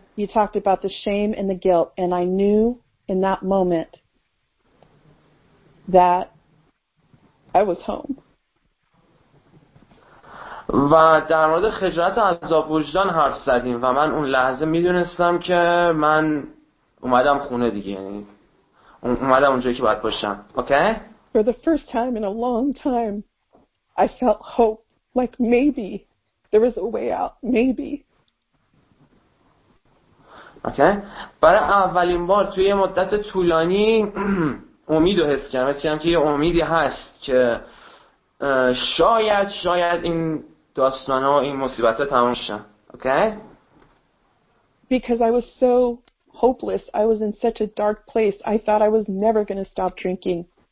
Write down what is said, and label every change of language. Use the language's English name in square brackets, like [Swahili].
[English] You talked about the shame and the guilt, and I knew in that moment that I was home. [Persian] و در مورد خجالت و عذاب وجدان حرف زدیم و من اون لحظه میدونستم که من اومدم خونه دیگه، یعنی اومدم اونجایی که باید باشم. [English] Okay? For the first time in a long time I felt hope, like maybe there is a way out, maybe. [Persian] اوکی؟ برای اولین بار توی یه مدت طولانی امید رو حس کردم، مثل اینکه یه امیدی هست که شاید این داستانا و این مصیبتا تموم شن. [English] Okay? Because I was so hopeless. I was in such a dark place. I thought I was never going to stop drinking.